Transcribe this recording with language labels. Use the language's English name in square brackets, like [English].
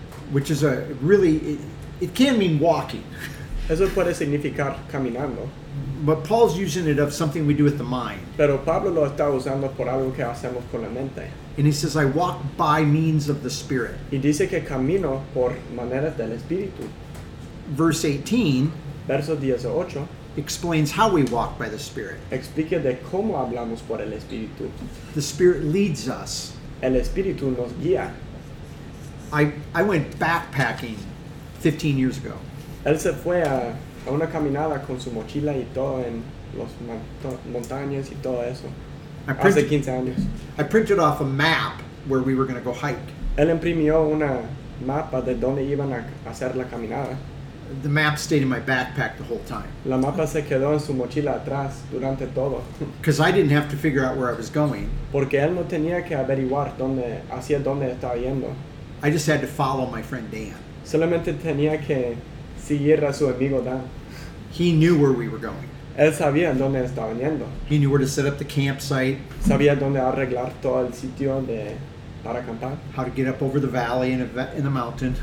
[English] Which is a really, it can mean walking. [Spanish] Eso puede significar caminando. [English] But Paul's using it of something we do with the mind. [Spanish] Pero Pablo lo está usando por algo que hacemos con la mente. [English] And he says, I walk by means of the Spirit. [Spanish] Y dice que camino por maneras del Espíritu. [English] Verse 18. [Spanish] Verso 18. [English] Explains how we walk by the Spirit. [Spanish] Explica de cómo hablamos por el Espíritu. [English] The Spirit leads us. [Spanish] El Espíritu nos guía. [English] I went backpacking 15 years ago. [Spanish] Él se fue a una caminada con su mochila y todo en las montañas y todo eso. Hace 15 años. [English] I printed off a map where we were going to go hike. [Spanish] Él imprimió una mapa de donde iban a hacer la caminada. [English] The map stayed in my backpack the whole time. [Spanish] La mapa se quedó en su mochila atrás durante todo. [English] Because I didn't have to figure out where I was going. [Spanish] Porque él no tenía que averiguar dónde, hacia dónde estaba yendo. [English] I just had to follow my friend Dan. [Spanish] Solamente tenía que seguir a su amigo Dan. [English] He knew where we were going. [Spanish] Él sabía dónde estaba yendo. [English] He knew where to set up the campsite. [Spanish] Sabía dónde arreglar todo el sitio de, para acampar. [English] How to get up over the valley in the mountain.